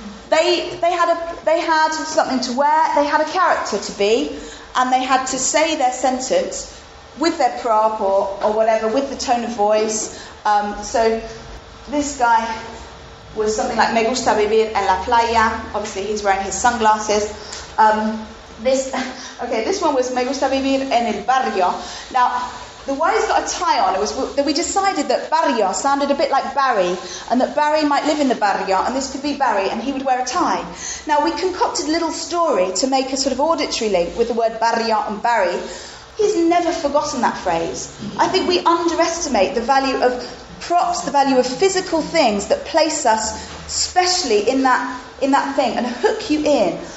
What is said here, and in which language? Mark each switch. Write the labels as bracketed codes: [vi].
[en] They had something to wear, they had a character to be, and they had to say their sentence with their prop or whatever, with the tone of voice. So this guy was something like, [es] me gusta vivir en la playa. [en] Obviously, he's wearing his sunglasses. This one was, [es] me gusta vivir en el barrio. [en] Now, the Y's got a tie on. It was that we decided that barrio sounded a bit like Barry, and that Barry might live in the barrio, and this could be Barry, and he would wear a tie. Now, we concocted a little story to make a sort of auditory link with the word barrio and Barry. He's never forgotten that phrase. I think we underestimate the value of props, the value of physical things that place us specially in that thing and hook you in.